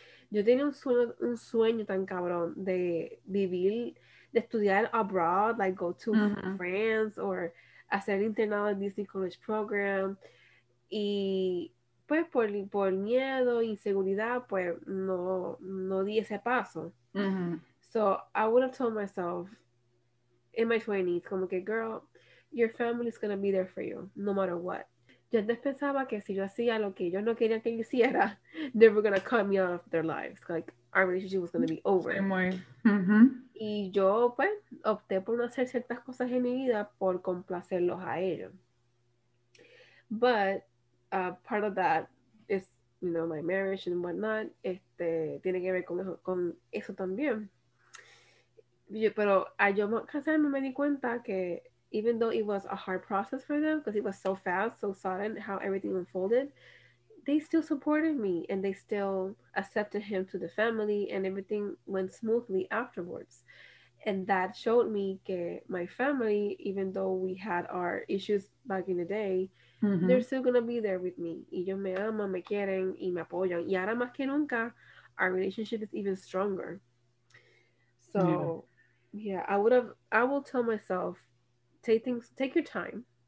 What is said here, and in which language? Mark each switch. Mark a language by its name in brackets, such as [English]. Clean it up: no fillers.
[Spanish] Yo tenía un sueño tan cabrón de vivir, de estudiar abroad, [English] like go to France or [Spanish] hacer internado en Disney College Program. Y pues por miedo, inseguridad, pues no di ese paso. Mm-hmm. [English] So I would have told myself in my 20s, [Spanish] como que, [English] girl, your family is going to be there for you no matter what. [Spanish] Yo antes pensaba que si yo hacía lo que ellos no querían que yo hiciera, [English] they were going to cut me out of their lives. Like, our relationship was going to be over. Same way. Mm-hmm. [Spanish] Y yo, pues, opté por no hacer ciertas cosas en mi vida por complacerlos a ellos. [English] But part of that is, you know, my marriage and whatnot. [Spanish] Este, tiene que ver con eso también. Yo, pero a yo casarme me di cuenta que [English] even though it was a hard process for them, because it was so fast, so sudden, how everything unfolded, they still supported me, and they still accepted him to the family, and everything went smoothly afterwards. And that showed me que my family, even though we had our issues back in the day, mm-hmm. they're still going to be there with me. [Spanish] Ellos me aman, me quieren, y me apoyan. Y ahora más que nunca, [English] our relationship is even stronger. So, yeah, I will tell myself, take your time.